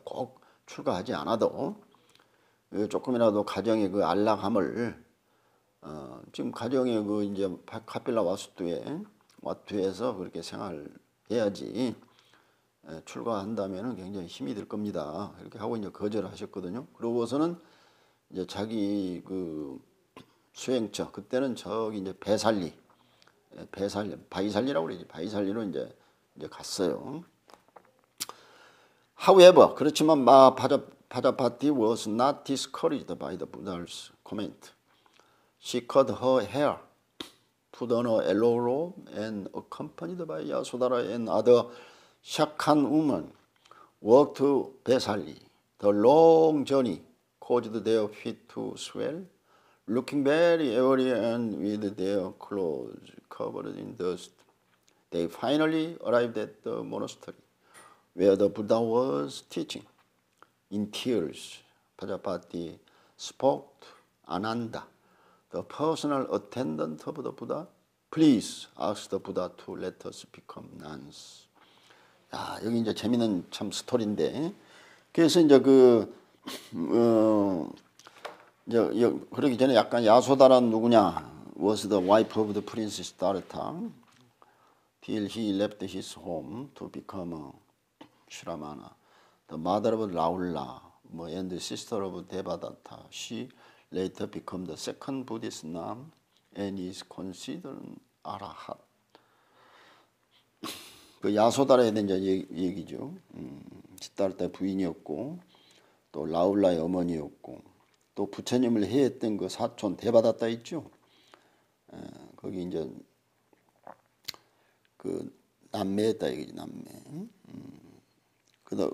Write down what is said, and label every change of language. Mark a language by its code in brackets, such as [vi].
[ko] 꼭 출가하지 않아도 조금이라도 가정의 그 안락함을 지금 가정의 그 이제 카필라 와투에서 그렇게 생활해야지 출가한다면은 굉장히 힘이 들 겁니다. 이렇게 하고 이제 거절하셨거든요. 그러고서는 이제 자기 그 수행처 그때는 저기 이제 바이살리라고 그러지 바이살리로 이제 갔어요. [en] However, [ko] 그렇지만 [en] 마 파자파티 was not discouraged by the Buddha's comment. She cut her hair, put on a yellow robe, and accompanied by Yasodhara and other Shakan women, walked to Vaishali. The long journey caused their feet to swell, looking very airy and with their clothes covered in dust. They finally arrived at the monastery where the Buddha was teaching. In tears, Prajapati spoke to Ananda, the personal attendant of the Buddha. Please ask the Buddha to let us become nuns. [ko] 야, 여기 이제 재밌는 참 스토리인데. 그래서 이제 그러기 전에 약간 야소다란 누구냐? [en] Was the wife of the Prince Siddhartha. Till he left his home to become a Shramana, the mother of Laula, and the sister of Devadatta. She later became the second Buddhist nun and is considered Arahat. [ko] 그 야소다라에 대한 얘기죠. 시달타 부인이었고, 또 라울라의 어머니였고, 또 부처님을 해했던 그 사촌 데바다타 있죠. 거기 이제 그 남매였다 이거지 남매.